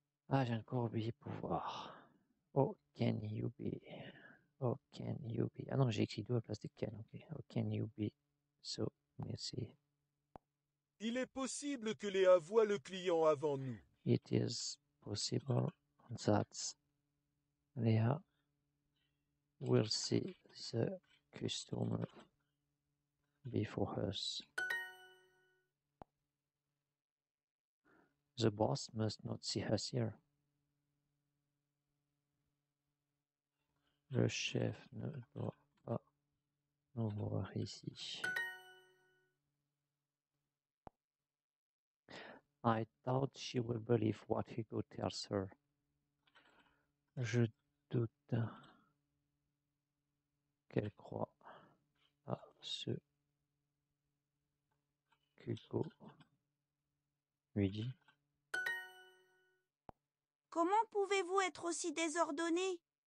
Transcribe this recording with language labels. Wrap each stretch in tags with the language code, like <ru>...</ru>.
<fr>Ah, j'ai encore oublié pouvoir.</fr> <en>Oh, can you be? Oh, can you be?</en> <fr>Ah non, j'ai écrit deux à la place de can.</fr> <en>Okay. Oh, can you be? So, merci.</en> <fr>Il est possible que Léa voie le client avant nous.</fr> <en>It is possible that Léa will see the customer before us. The boss must not see us here.</en> <fr>Le chef ne doit pas nous voir ici.</fr> <en>I doubt she will believe what Hugo tells her.</en> <fr>Je doute qu'elle croit à ce qu'Hugo lui dit. Comment pouvez-vous être aussi désordonné?</fr>